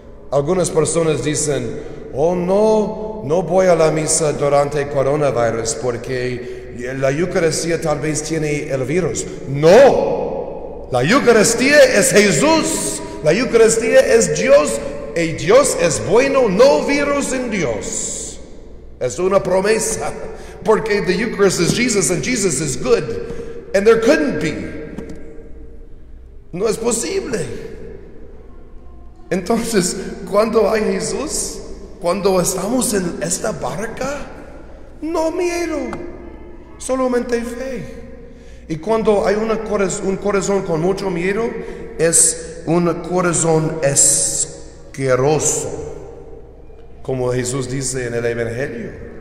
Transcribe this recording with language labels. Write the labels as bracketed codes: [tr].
[es] Algunas personas dicen, oh no voy a la misa durante coronavirus porque la Eucaristía tal vez tiene el virus. No, la Eucaristía es Jesús, la Eucaristía es Dios, y Dios es bueno, no virus en Dios. Es una promesa, porque [en] the Eucharist is Jesus, and Jesus is good, and there couldn't be. [es] No es posible. Entonces, cuando hay Jesús, cuando estamos en esta barca, no miedo, solamente fe. Y cuando hay un corazón con mucho miedo, es un corazón asqueroso, como Jesús dice en el Evangelio.